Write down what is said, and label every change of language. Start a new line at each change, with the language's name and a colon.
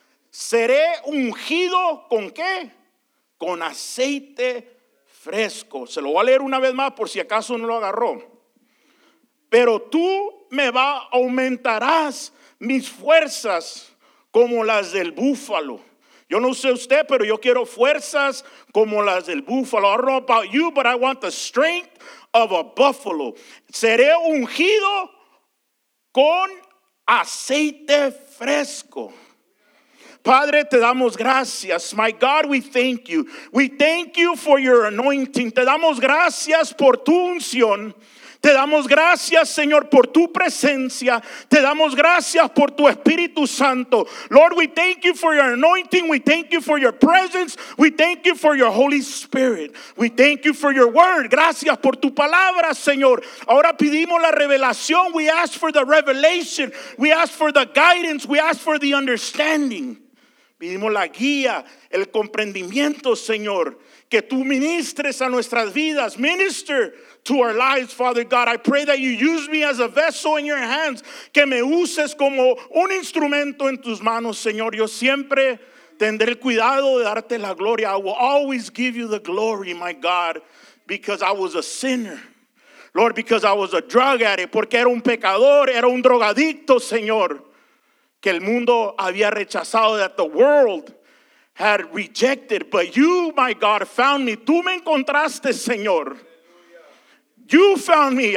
Spanish: Seré ungido con qué? Con aceite fresco. Se lo voy a leer una vez más por si acaso no lo agarró. Pero tú me aumentarás mis fuerzas como las del búfalo. Yo no sé usted, pero yo quiero fuerzas como las del búfalo.
English: I don't know about you, but I want the strength of a buffalo.
Spanish: Seré ungido con aceite fresco. Padre, te damos gracias.
English: My God, we thank you. We thank you for your anointing.
Spanish: Te damos gracias por tu unción. Te damos gracias, Señor, por tu presencia. Te damos gracias por tu Espíritu Santo.
English: Lord, we thank you for your anointing. We thank you for your presence. We thank you for your Holy Spirit. We thank you for your word.
Spanish: Gracias por tu palabra, Señor. Ahora pedimos la revelación.
English: We ask for the revelation. We ask for the guidance. We ask for the understanding.
Spanish: Pedimos la guía, el comprendimiento, Señor. Que tú ministres a nuestras vidas.
English: Minister to our lives, Father God. I pray that you use me as a vessel in your hands.
Spanish: Que me uses como un instrumento en tus manos, Señor. Yo siempre tendré el cuidado de darte la gloria.
English: I will always give you the glory, my God, because I was a sinner. Lord, because I was a drug addict.
Spanish: Porque era un pecador, era un drogadicto, Señor. Que el mundo había rechazado,
English: that the world had rejected, but you, my God, found me.
Spanish: Tú me encontraste, Señor.
English: You found me.